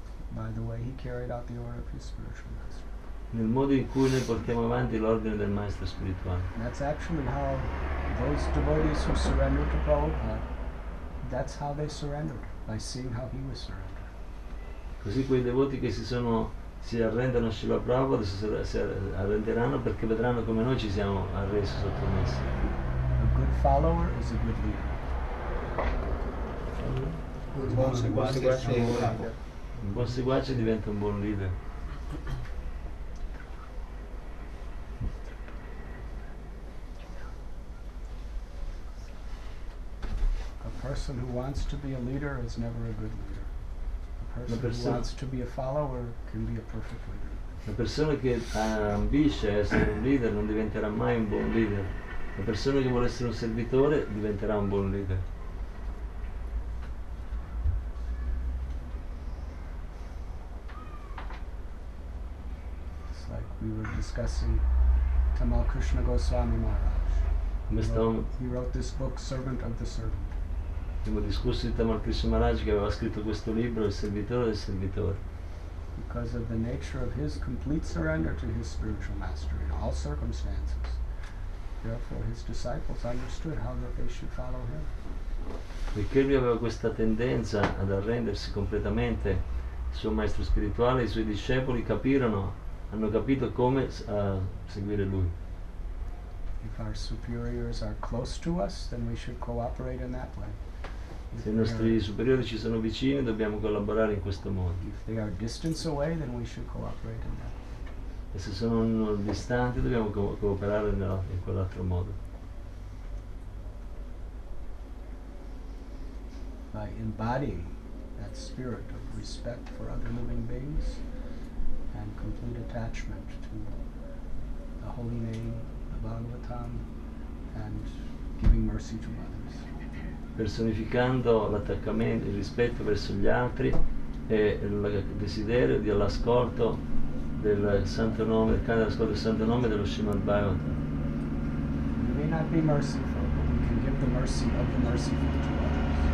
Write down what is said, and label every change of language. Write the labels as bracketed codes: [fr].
[en] By the way, he carried out the order of his spiritual master. [it] Nel modo in cui noi portiamo avanti l'ordine del maestro spirituale. [en] That's actually how those devotees who surrendered to Prabhupada, that's how they surrendered, by seeing how he was surrendered. [it] Così quei devoti che si arrendono a Srila Prabhupada si arrenderanno perché vedranno come noi ci siamo arresi sottomessi. [en] A good follower is a good leader. [it] Un buon seguace diventa un buon leader. [en] A person who wants to be a leader is never a good leader. A person who wants to be a follower can be a perfect leader. [it] La persona che ambisce a essere un leader non diventerà mai un buon leader. La persona che vuole essere un servitore diventerà un buon leader. [en] It's like we were discussing Tamal Krishna Goswami Maharaj. He wrote this book, Servant of the Servant. [it] Abbiamo discusso di Tamal Krishna Maharaj che aveva scritto questo libro, Il servitore del servitore. [en] Because of the nature of his complete surrender to his spiritual master in all circumstances, therefore his disciples understood how that they should follow him. [it] Perché lui aveva questa tendenza ad arrendersi completamente al suo maestro spirituale, i suoi discepoli hanno capito come seguire lui. [en] If our superiors are close to us, then we should cooperate in that way. [it] Se i nostri superiori ci sono vicini, dobbiamo collaborare in questo modo. [en] If they are distance away, then we should cooperate in that. [it] E se sono distanti, dobbiamo cooperare in quell'altro modo. [en] By embodying that spirit of respect for other living beings and complete attachment to the holy name, the Bhagavatam, and giving mercy to others. [it] Personificando l'attaccamento, il rispetto verso gli altri e il desiderio di all'ascolto del santo nome, il canto dell'ascolto del santo nome dello Srimad Bhagavatam. [en] We may not be merciful, but we can give the mercy of the merciful to others.